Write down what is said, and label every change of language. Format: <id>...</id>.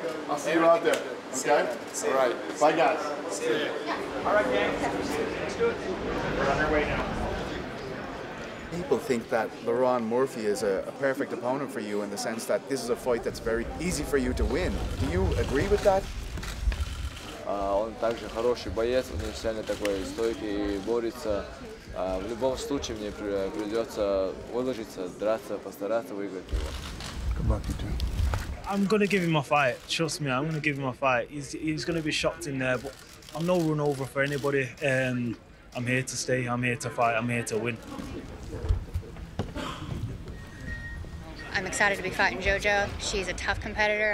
<en>I'll see you out there. Good. Okay? See all right. See bye, you. Guys. See you. All right, gang. Let's do it. We're on our way now. People think that Lerone Murphy is a perfect opponent for you in the sense that this is a fight that's very easy for you to win. Do you agree with that?</en> <ru>Он также хороший боец, он изначально такой стойкий и борется. В любом случае мне придется выложиться, драться, постараться выиграть его.</ru> <en>Good luck, you too. I'm gonna give him a fight. Trust me, I'm gonna give him a fight. He's gonna be shocked in there, but I'm no run over for anybody. I'm here to stay. I'm here to fight. I'm here to win. I'm excited to be fighting JoJo. She's a tough competitor.</en>